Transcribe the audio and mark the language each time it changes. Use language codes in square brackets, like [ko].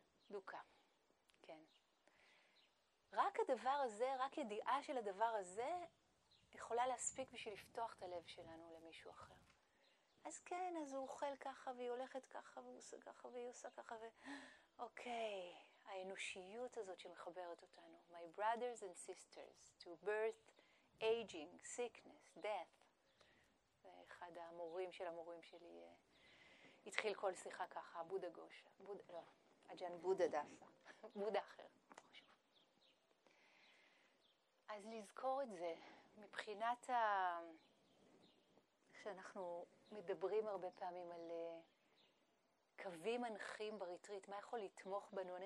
[he] דוקה, כן. רק הדבר הזה, רק ידיעה של הדבר הזה, יכולה להספיק בשביל לפתוח את הלב שלנו למישהו אחר. אז כן, אז הוא אוכל ככה, והיא הולכת ככה, והוא עושה ככה, והיא עושה ככה, אוקיי, האנושיות הזאת שמחברת אותנו. [en] My brothers and sisters, to birth, aging, sickness, death. [he] ואחד המורים של המורים שלי, התחיל כל שיחה ככה, בודה גוש, בודה, לא, אג'ן בודה דסה, בודה אחר. אז לזכור את זה, מבחינת ה... שאנחנו מדברים הרבה פעמים על קווים מנחים בריטריט, מה יכול לתמוך בנו?